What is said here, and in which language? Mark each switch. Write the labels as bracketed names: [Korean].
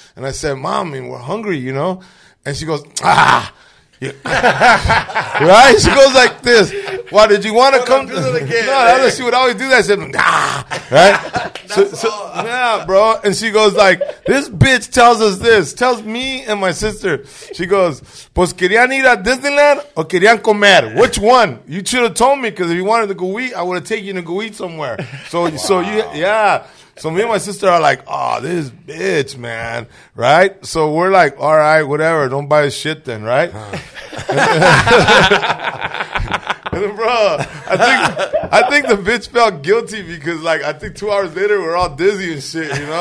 [English] And I said, Mom, we're hungry, you know? And she goes, ah. Yeah. Right? She goes like this. Why did you want to come to the game? No, that's what she would always do. That. I said, nah. Right? Yeah, bro. And she goes like, this bitch tells us this. Tells me and my sister. She goes, [Spanish] pues querían ir a Disneyland o querían comer? [English] Which one? You should have told me, because if you wanted to go eat, I would have taken you to go eat somewhere. So, wow. So you, yeah. So me and my sister are like, oh, this bitch, man. Right? So we're like, all right, whatever. Don't buy a shit then, right? Huh. And then, bro, I think the bitch felt guilty because, like, I think 2 hours later, we're all dizzy and shit, you know?